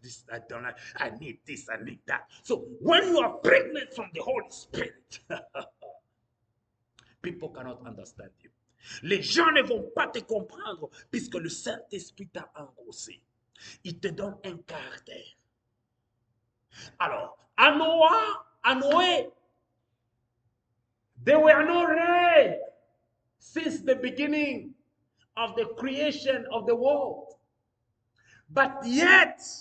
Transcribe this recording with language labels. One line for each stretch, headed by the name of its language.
English: I need this, I need that. So when you are pregnant from the Holy Spirit, people cannot understand you.
French: Les gens ne vont pas te comprendre puisque le Saint-Esprit t'a engrossé. Il te donne un caractère. Alors, à Noé,
English: they were no red since the beginning of the creation of the world. But yet,